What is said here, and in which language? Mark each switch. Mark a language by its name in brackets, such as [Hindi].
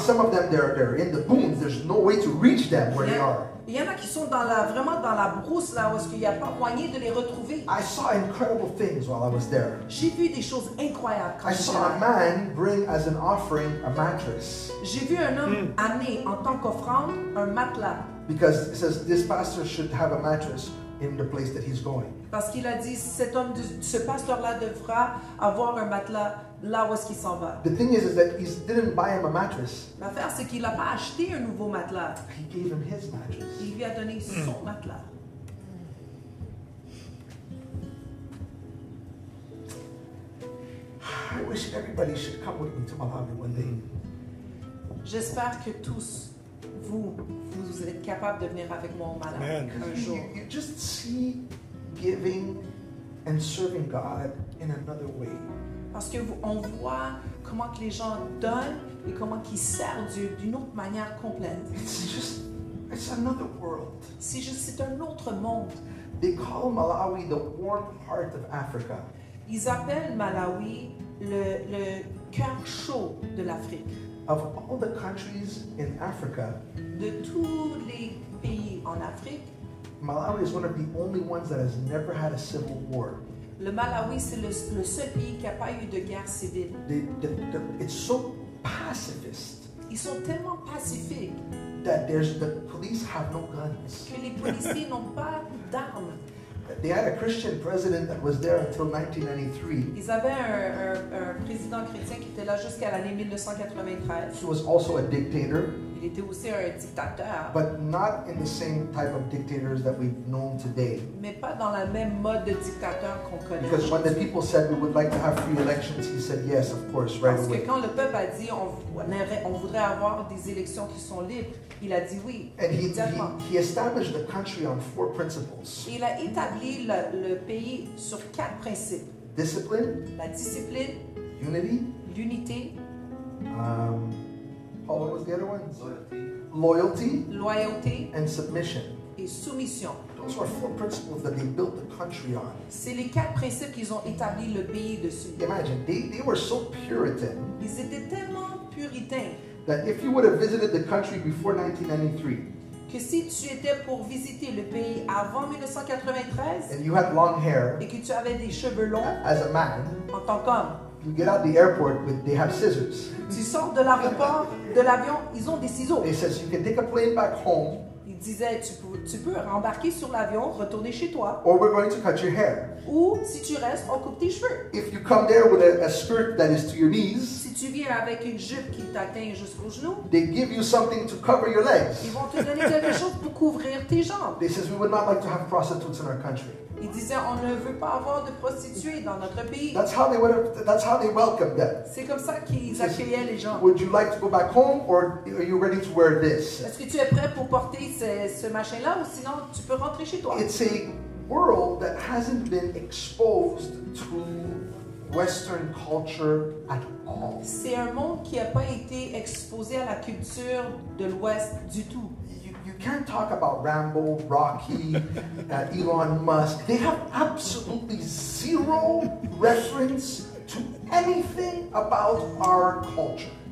[English] And some of them, they're in the boons. There's no way to reach them where they are. [French] Il y en a qui sont vraiment dans la brousse là où est-ce qu'il n'y a pas moyen de les retrouver. [English] I saw incredible things while I was there. [French] J'ai vu des choses incroyables quand j'étais là. [English] I saw a man bring as an offering a mattress. [French] J'ai vu un homme amener en tant qu'offrande un matelas. [English] Because it says this pastor should have a mattress in the place that he's going. [French] Parce qu'il a dit ce pasteur là devra avoir un matelas là où est-ce qu'il s'en va. [English] The thing is that he didn't buy him a mattress. [French] L'affaire c'est qu'il a pas acheté un nouveau matelas. [English] He gave him his mattress. [French] Il lui a donné son matelas. [English] I wish everybody should come with me to Malawi one day. [French] J'espère que tous vous êtes capables de venir avec moi au Malawi un jour. [English] You just see giving and serving God in another way. [French] Parce qu'on voit comment que les gens donnent et comment qu'ils servent Dieu d'une autre manière complète. [English] It's another world. [French] C'est un autre monde. [English] They call Malawi the warm heart of Africa. [French] Ils appellent Malawi le cœur chaud de l'Afrique. [English] Of all the countries in Africa, [French] de tous les pays en Afrique, [English] Malawi is one of the only ones that has never had a civil war. [French] Le Malawi, c'est le seul pays qui n'a pas eu de guerre civile. [English] It's so pacifist. [French] Ils sont tellement pacifiques. [English] That there's the police have no guns. [French] Que les policiers n'ont pas d'armes. [English] They had a Christian president that was there until 1993. [French] Ils avaient un président chrétien qui était là jusqu'à l'année 1993. [English] He was also a dictator. [French] il était aussi un dictateur. [English] But not in the same type of dictators that we've known today. [French] Mais pas dans la même mode de dictateur qu'on connaît. [English] Because aujourd'hui. When the people said we would like to have free elections, he said yes, of course, right [French] Parce [English] away. [French] Que quand le peuple a dit on voudrait avoir des élections qui sont libres, il a dit oui. [English] And he established the country on four principles. [French] Il a établi le pays sur quatre principes. [English] Discipline. [French] La discipline. [English] Unity. [French] L'unité. [English] What was the other one? Loyalty. Loyalty. Loyalty. And submission. [French] Et soumission. [English] Those were four principles that they built the country on. [French] C'est les quatre principes qu'ils ont établi le pays dessus. [English] Imagine, they were so Puritan. [French] Ils étaient tellement puritains. [English] That if you would have visited the country before 1993. [French] Que si tu étais pour visiter le pays avant 1993. [English] And you had long hair. [French] Et que tu avais des cheveux longs. [English] As a man. [French] En tant qu'homme. [English] You get out the airport, with they have scissors. [French] Tu sors de l'aéroport, de l'avion, ils ont des ciseaux. [English] They says you can take a plane back home. [French] Il disait tu peux rembarquer sur l'avion, retourner chez toi. [English] Or we're going to cut your hair. [French] Ou si tu restes, on coupe tes cheveux. [English] If you come there with a skirt that is to your knees. [French] Si tu viens avec une jupe qui t'atteint jusqu'aux genoux. [English] They give you something to cover your legs. [French] Ils vont te donner quelque chose pour couvrir tes jambes. [English] They says we would not like to have prostitutes in our country. [French] Il disait, on ne veut pas avoir de prostituées dans notre pays. [English] That's how they welcomed them. [French] C'est comme ça qu'ils accueillaient les gens. [English] Would you like to go back home or are you ready to wear this? [French] Est-ce que tu es prêt pour porter ce machin-là ou sinon tu peux rentrer chez toi? [English] It's a world that hasn't been exposed to Western culture at all. [French] C'est un monde qui n'a pas été exposé à la culture de l'Ouest du tout. [English] You can't talk about Rambo, Rocky, Elon Musk. They have absolutely zero reference to anything about our culture.